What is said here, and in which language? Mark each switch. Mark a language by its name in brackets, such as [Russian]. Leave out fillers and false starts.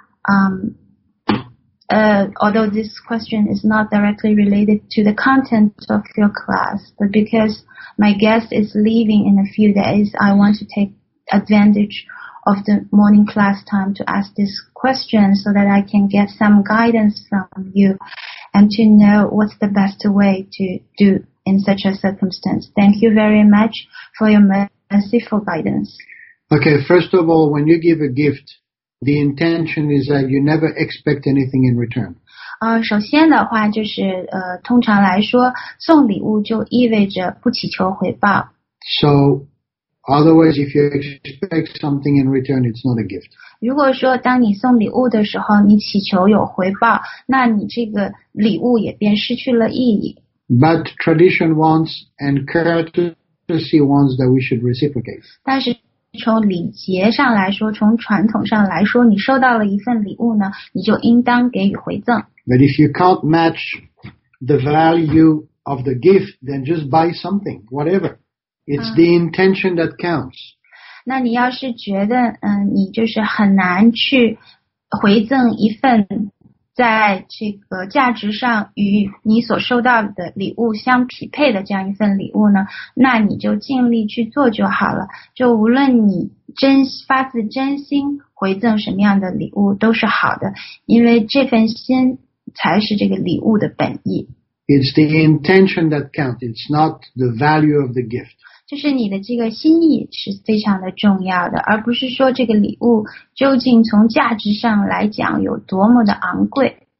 [English] Although this question is not directly related to the content of your class, but because my guest is leaving in a few days, I want to take advantage of the morning class time to ask this question so that I can get some guidance from you. And to know what's the best way to do in such a circumstance. Thank you very much for your merciful guidance. Okay, first of all, when you give a gift, the intention is that you never expect anything in return. [Chinese] 首先的话就是通常来说送礼物就意味着不祈求回报。 [English] So, otherwise, if you expect something in return, it's not a gift. [Chinese] 如果说当你送礼物的时候你祈求有回报，那你这个礼物也便失去了意义。 [English] But tradition wants and courtesy wants that we should reciprocate. [Chinese] 但是从礼节上来说，从传统上来说，你收到了一份礼物呢，你就应当给予回赠。 [English] But if you can't match the value of the gift, then just buy something, whatever. It's the intention that counts. [Chinese] 那你要是觉得你就是很难去回赠一份在这个价值上与你所收到的礼物相匹配的这样一份礼物呢，那你就尽力去做就好了，就无论你真发自真心回赠什么样的礼物都是好的，因为这份心才是这个礼物的本意。 [English] It's the intention that counts, it's not the value of the gift. [Chinese] 就是你的这个心意是非常的重要的，而不是说这个礼物究竟从价值上来讲有多么的昂贵。